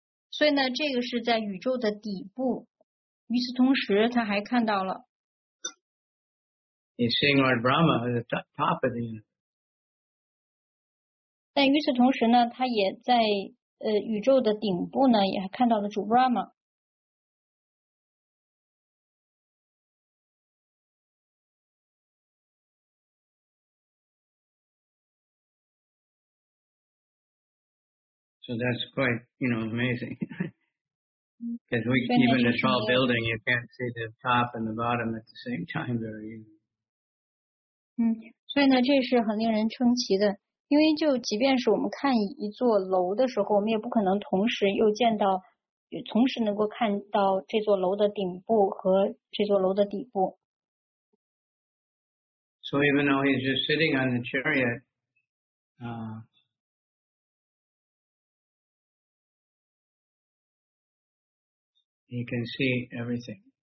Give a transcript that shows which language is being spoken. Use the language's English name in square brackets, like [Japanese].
[Chinese] So, 呢这个是在宇宙的底部。与此同时，他还看到了。 [English] He's seeing Lord Brahma at the top of the universe. [Chinese] 但与此同时呢，他也在宇宙的顶部呢，也看到了主 Brahma。 [English] So that's quite, you know, amazing. Because we even a tall building, you can't see the top and the bottom at the same time very easily. [Chinese] 所以呢，这是很令人称奇的。因为就即便是我们看一座楼的时候，我们也不可能同时又见到，同时能够看到这座楼的顶部和这座楼的底部。 [English] So even though he's just sitting on the chariot, he can see everything.